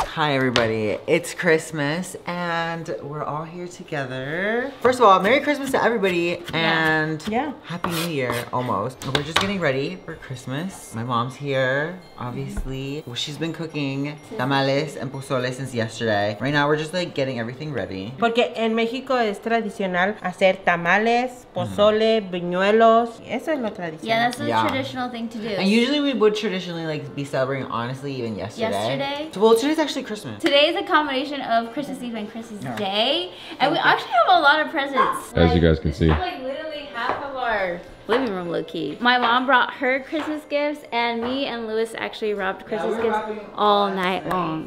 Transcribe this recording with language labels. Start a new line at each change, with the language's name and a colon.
English: Hi, everybody. It's Christmas, and we're all here together. First of all, Merry Christmas to everybody, and Happy New Year, almost. We're just getting ready for Christmas. My mom's here, obviously. Mm-hmm. Well, she's been cooking tamales and pozole since yesterday. Right now, we're just, like, getting everything ready.
Spanish: Porque en México es tradicional hacer tamales, pozole, buñuelos. Eso es lo tradicional.
English: Yeah, that's the traditional thing to do. And usually, we would traditionally, like, be celebrating, honestly, even yesterday. Today. Well, today's actually Christmas. Today is a combination of Christmas Eve and Christmas Day. And we actually have a lot of presents. As like, you guys can see. Like literally half of our living room low-key. My mom brought her Christmas gifts and me and Lewis actually robbed Christmas gifts all night long.